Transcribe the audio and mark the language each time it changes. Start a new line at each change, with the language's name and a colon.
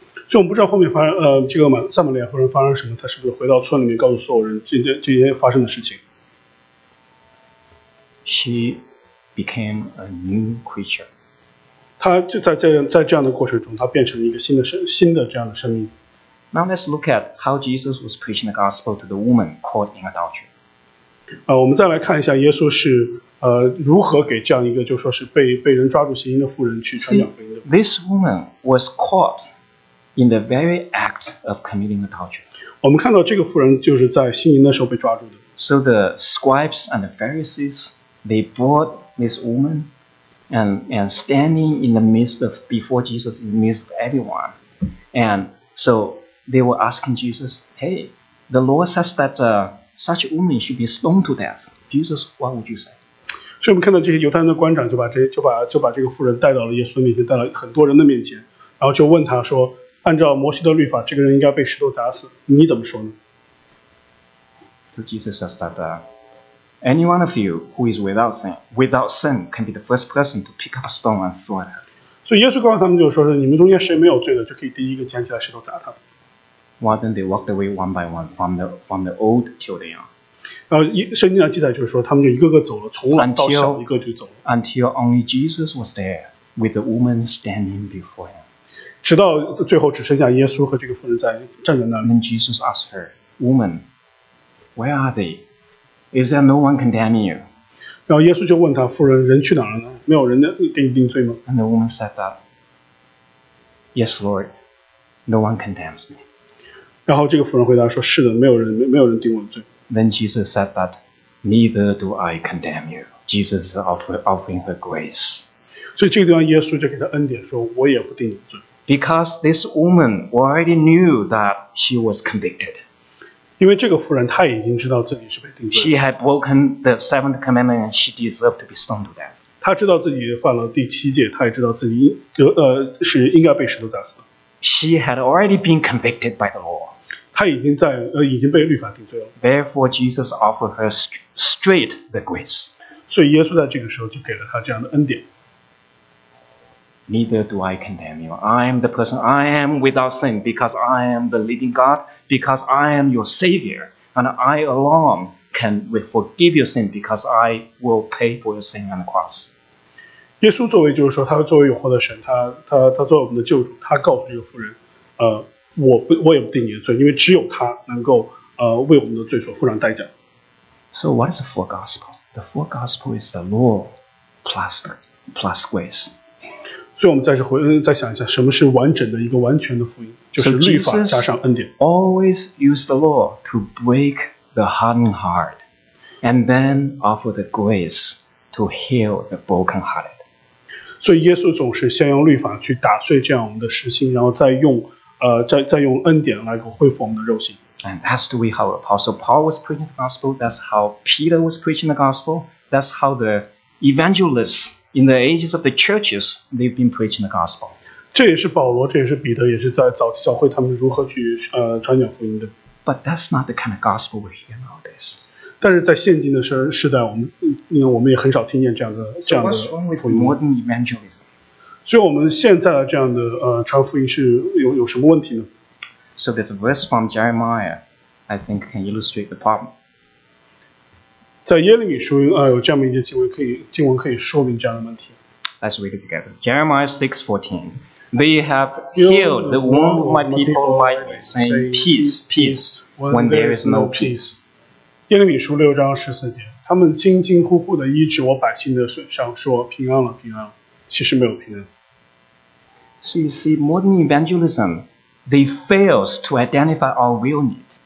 Chinese: 所以我不知道后面这个撒玛利亚妇人发生什么，她是不是回到村里面告诉所有人这些发生的事情。
English: She became a new creature.
Chinese: 她就在这样的过程中，她变成了一个新的这样的生命。
English: Now let's look at how Jesus was preaching the gospel to the woman caught in adultery.
Chinese: 我们再来看一下耶稣是如何给这样一个就是说是被人抓住行淫的妇人去传讲福音的。
English: See, this woman was caught in the very act of committing adultery.
Chinese: 我们看到这个妇人就是在行淫的时候被抓住的。
English: So the scribes and the Pharisees. They brought this woman and standing in the midst of before Jesus in the midst of everyone. And so they were asking Jesus, hey, the law says that such a woman should be stoned to death. Jesus, what would you say?
Chinese: 所以我们看到这些犹太人的官长就把这个妇人带到了耶稣的面前，带到很多人的面前，然后就问他说，按照摩西的律法，这个人应该被石头砸死，你怎么说呢？
English: So Jesus says that, Any one of you who is without sin can be the first person to pick up a stone and throw it at him.
Chinese: 所以耶稣告诉他们就说是你们中间谁没有罪的就可以第一个捡起来石头砸他。
English: Why then they walked away one by one from the old till the young.
Chinese: 然后圣经上记载就是说他们就一个个走了从老到小一个就走了。
English: Until only Jesus was there with the woman standing before him.
Chinese: 直到最后只剩下耶稣和这个妇人在站在那里。
English: Then Jesus asked her, Woman, where are they? Is there no one condemning you?
Chinese: 然后耶稣就问他妇人人去哪儿了呢没有人给你定罪吗
English: And the woman said that, Yes, Lord, no one condemns me.
Chinese: 然后这个妇人回答说是的没有人定我的罪。
English: Then Jesus said that, Neither do I condemn you. Jesus is offering her grace.
Chinese: 所以这个地方耶稣就给他恩典说我也不定你罪。
English: Because this woman already knew that she was convicted.
Chinese: 因为这个妇人她已经知道自己是被定罪的。
English: She had broken the seventh commandment and she deserved to be stoned to death.
Chinese: 她知道自己犯了第七戒，她也知道自己是应该被石头砸死的。
English: She had already been convicted by the law.
Chinese: 她已经被律法定罪了。
English: Therefore Jesus offered her straight the grace.
Chinese: 所以耶稣在这个时候就给了她这样的恩典。
English: Neither do I condemn you. I am the person I am without sin because I am the living God, because I am your Savior, and I alone can forgive your sin because I will pay for your sin on the cross.
Chinese: 耶稣作为就是说他作为永活的神 他作为我们的救主他告诉这个妇人、我也不定你的罪因为只有他能够、为我们的罪所付上代价。
English: So what is the full gospel? The full gospel is the law plus grace.
Chinese: 所以我们再想一下什么是完整的一个完全的福音就是律法加上恩典。
English: So Jesus always used the law to break the hardened heart and then offer the grace to heal the broken hearted.
Chinese: 所以耶稣总是先用律法去打碎这样我们的实心然后再 用恩典来恢复我们的肉心。
English: And that's the way how Apostle Paul was preaching the gospel, that's how Peter was preaching the gospel, that's how the evangelists in the ages of the churches, they've been preaching the gospel.
Chinese: 这也是保罗这也是彼得也是在早期教会他们如何去、传讲福音的。
English: But that's not the kind of gospel we hear nowadays.
Chinese: 但是在现今的时代我 们也很少听见这样的福音。
English: So what's wrong with modern evangelism?
Chinese: 所以我们现在的这样的、传福音是 有什么问题呢
English: ?So there's a verse from Jeremiah, I think can illustrate the problem.
Chinese: 在耶利米书、有这么一些经文可以说明这样的问题。
English: Let's read it together. Jeremiah 6:14. They have healed the wound of my people like me, saying, peace, peace, when there is no peace.
Chinese: 耶利米书六章十四节，他们惊惊呼呼地医治我百姓的损伤，说平安了，平安了，其实没有平安。
English: So you see, modern evangelism, they fails to identify our real need.